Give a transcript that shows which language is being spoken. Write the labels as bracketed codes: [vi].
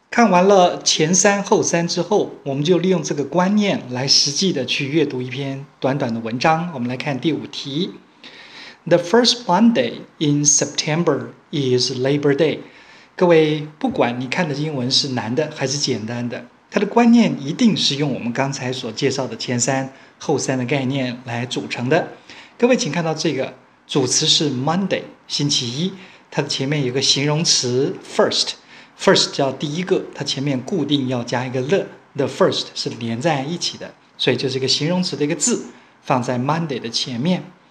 [zh] 完了前三后三之后，我们就利用这个观念来实际的去阅读一篇短短的文章。我们来看第五题。 [en] The first Monday in September is Labor Day. [zh] 各位，不管你看的英文是难的还是简单的，它的观念一定是用我们刚才所介绍的前三后三的概念来组成的。各位请看到这个主词是 Monday， 星期一，它的前面有个形容词 first， first 叫第一个，它前面固定要加一个 the first 是连在一起的，所以就是一个形容词的一个字放在 Monday 的前面。